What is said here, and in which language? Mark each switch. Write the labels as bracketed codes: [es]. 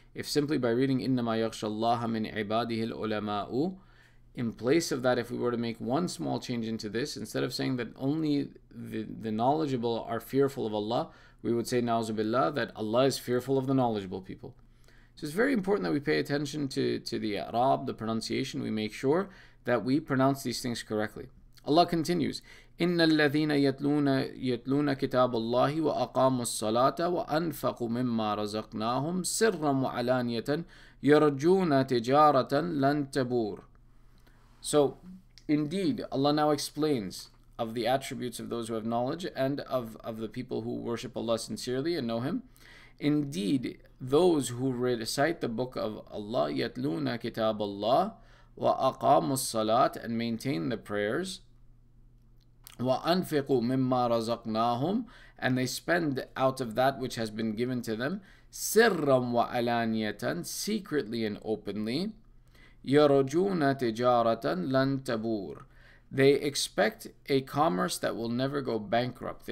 [en] If simply by reading [ar] إِنَّمَا يَغْشَى اللَّهَ مِنْ عِبَادِهِ الْعُلَمَاءُ, [en] in place of that, if we were to make one small change into this, instead of saying that only the knowledgeable are fearful of Allah, we would say, na'uzu billah, that Allah is fearful of the knowledgeable people. So it's very important that we pay attention to the i'rab, the pronunciation. We make sure that we pronounce these things correctly. Allah continues, [ar] إِنَّ الَّذِينَ يَتْلُونَ كِتَابَ اللَّهِ وَأَقَامُوا الصَّلَاةَ وَأَنفَقُوا مِمَّا رَزَقْنَاهُمْ سِرًّا وَعَلَانِيَةً يَرْجُونَ تِجَارَةً لَن تَبُورَ. [en] So, indeed, Allah now explains of the attributes of those who have knowledge and of the people who worship Allah sincerely and know Him. Indeed, those who recite the book of Allah, [ar] يَتْلُونَ كِتَابَ اللَّهِ وَأَقَامُوا الصَّلَاةِ, [en] and maintain the prayers, [ar] وَأَنْفِقُوا مِمَّا رَزَقْنَاهُمْ, [en] and they spend out of that which has been given to them, [ar] سِرًّا وَعَلَانِيَةً, [en] secretly and openly, [ar] يَرَجُونَ تِجَارَةً لَن تَبُورَ, [en] they expect a commerce that will never go bankrupt.